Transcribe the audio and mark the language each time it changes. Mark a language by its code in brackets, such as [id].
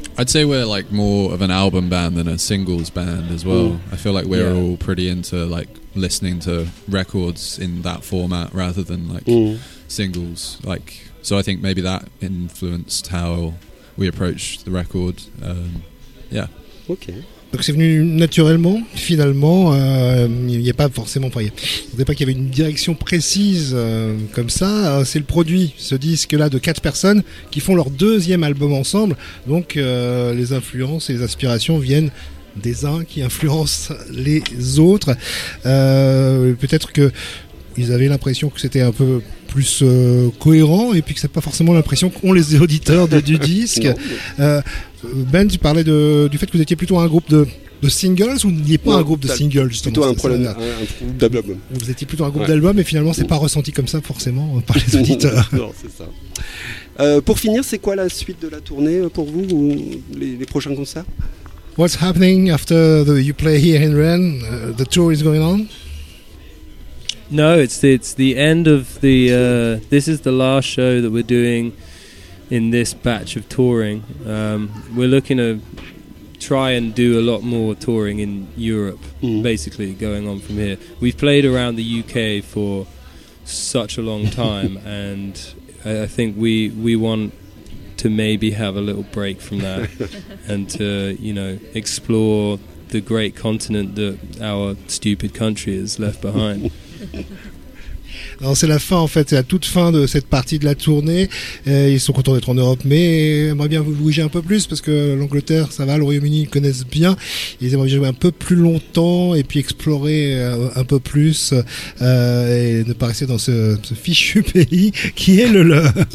[en] I'd say we're like more of an album band than a singles band as well. Ooh. I feel like we're all pretty into like listening to records in that format rather than like singles. Like, so I think maybe that influenced how we approached the record. Okay. [fr] Donc c'est venu naturellement, finalement, il n'y a pas forcément, enfin, on ne pas qu'il y avait une direction précise comme ça, c'est le produit, ce disque-là de 4 personnes qui font leur deuxième album ensemble, donc les influences et les aspirations viennent des uns qui influencent les autres, peut-être qu'ils avaient l'impression que c'était un peu plus cohérent et puis que ce n'est pas forcément l'impression qu'ont les auditeurs du disque. Ben, tu parlais du fait que vous étiez plutôt un groupe de singles ou n'y est pas un groupe de singles justement. Plutôt un problème, un groupe d'albums. Vous étiez plutôt un groupe d'albums et finalement c'est pas ressenti comme ça forcément par les auditeurs. Non, c'est ça. Pour finir, c'est quoi la suite de la tournée pour vous ou les prochains concerts? [en] What's happening after you play here in Rennes? The tour is going on? No, it's the end of the. This is the last show that we're doing. In this batch of touring, we're looking to try and do a lot more touring in Europe, basically, going on from here. We've played around the UK for such a long time, and I think we want to maybe have a little break from that and to, explore the great continent that our stupid country has left behind. [fr] Alors c'est la fin en fait, c'est la toute fin de cette partie de la tournée. Ils sont contents d'être en Europe, mais aimeraient bien vous bouger un peu plus parce que l'Angleterre, ça va, le Royaume-Uni, ils connaissent bien. Ils aimeraient bien jouer un peu plus longtemps et puis explorer un peu plus et ne pas rester dans ce fichu pays qui est le leur.